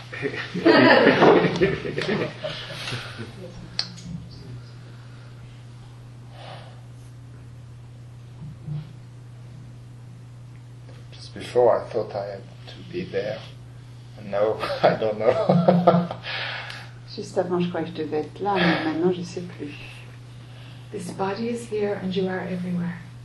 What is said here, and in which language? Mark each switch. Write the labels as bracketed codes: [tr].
[en] Just before, I thought I had to be there. No, I don't know. [fr] Juste avant, je croyais que je devais être là, mais maintenant, je ne sais plus. [en] This body is here and you are everywhere.